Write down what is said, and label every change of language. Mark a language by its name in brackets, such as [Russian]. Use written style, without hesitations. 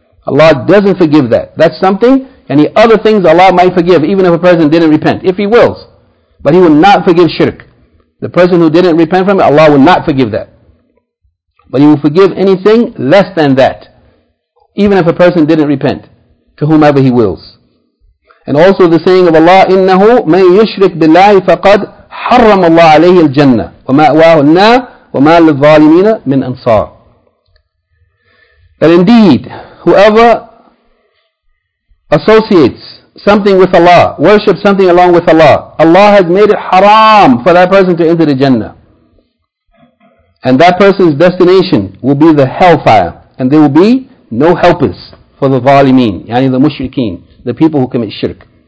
[English] Allah doesn't forgive that. That's something. Any other things Allah might forgive, even if a person didn't repent, if he wills. But He will not forgive shirk. The person who didn't repent from it, Allah will not forgive that. But He will forgive anything less than that, even if a person didn't repent, to whomever He wills. And also the saying of Allah, [Arabic] إِنَّهُ مَن يُشْرِكْ بِاللَّهِ فَقَدْ حَرَّمَ اللَّهُ عَلَيْهِ الْجَنَّةِ وَمَأْوَاهُ النَّارِ وَمَا لِلظَّالِمِينَ مِنْ أَنصَارِ. [English] That indeed, whoever associates something with Allah, worships something along with Allah, Allah has made it haram for that person to enter the Jannah. And that person's destination will be the hellfire, and there will be no helpers for the zalimeen, yani the mushrikeen, the people who commit shirk.